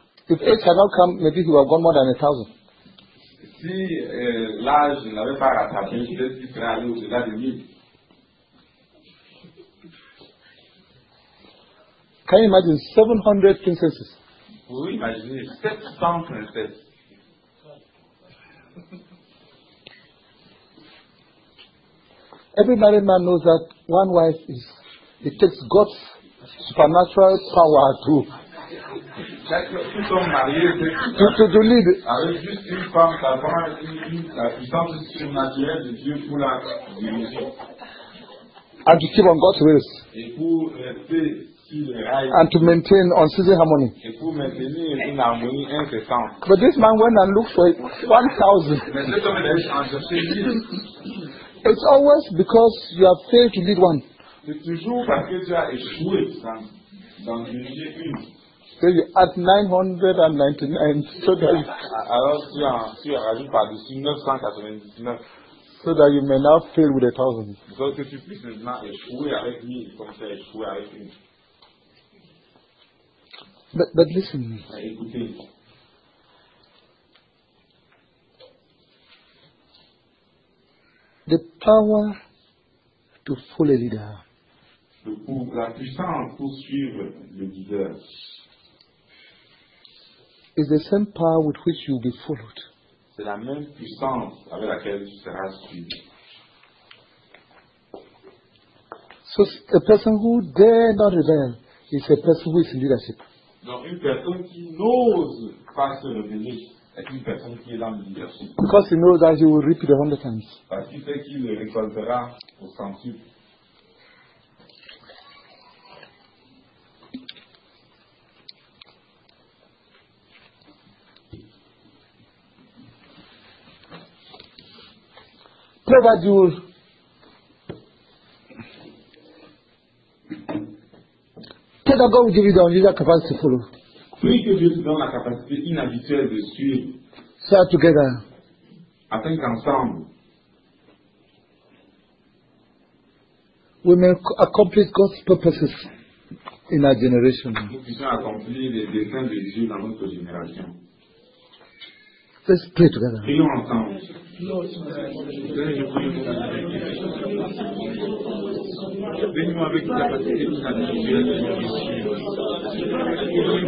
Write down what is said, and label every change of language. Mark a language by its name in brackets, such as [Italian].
[English] If age had not come, maybe he would have gone more than 1,000. [French] Si l'âge n'avait pas rattrapé, peut-être qu'il serait allé au-delà de 1,000. [English] Can you imagine 700 princesses? [French] Vous pouvez imaginer 700 princesses. [English] Every married man knows that one wife is. It takes God's supernatural power to. to lead. [French] Avec juste une femme, ça prend la puissance surnaturelle de Dieu pour la diriger. [English] And to keep on God's ways. [French] Et pour rester sur les rails. [English] And to maintain unceasing harmony. [French] Et pour maintenir une harmonie incessante. [English] But this man went and looked for 1,000. [French] Mais cet homme est allé chercher 1,000. [English] It's always because you have failed to lead one. [French] C'est toujours parce que tu as échoué dans diriger une. [English] So you add 999. [French] Alors tu as rajouté par-dessus 999. [English] So that you may now fail with 1,000. [French] Parce que tu puisses maintenant échouer avec 1,000 comme tu as échoué avec une. [English] But listen. [French] Écoutez. [English] The power to follow a leader. [French] La puissance pour suivre le leader [English] is the same power with which you will be followed. [French] C'est la même puissance avec laquelle tu seras suivi. [English] So a person who dare not rebel is a person who is in leadership. [French] Donc une personne qui n'ose pas se rebeller. Est une personne qui est dans le leadership. [English] Because he knows that he will reap the 100 times. [French] Parce qu'il sait qu'il le récoltera au centuple. [English] Pray that you will pray that God will give you the unusual capacity to follow. [French] Prie que Dieu te donne la capacité inhabituelle de suivre. [English] Start together. [French] Afin qu'ensemble, [English] we may accomplish God's purposes in our generation. [French] Nous puissions accomplir les desseins de Dieu dans notre génération. [English] Let's pray together. [French] Prions ensemble. Venez-moi avec une capacité inhabituelle de suivre.